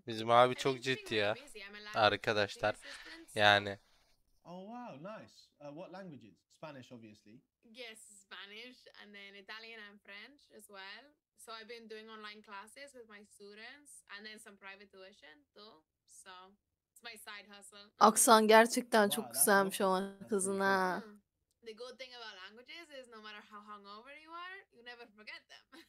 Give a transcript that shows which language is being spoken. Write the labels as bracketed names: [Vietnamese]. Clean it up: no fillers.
[Turkish] Bizim abi çok ciddi ya. Arkadaşlar. Yani. [English] Oh, wow, nice. What languages? Spanish, obviously. Yes, Spanish, and then Italian and French as well. So I've been doing online classes with my students, and then some private tuition too. So it's my side hustle. [Turkish] Aksan gerçekten çok güzelmiş o kızın ha. [English] The good thing about languages is no matter how hungover you are, you never forget them.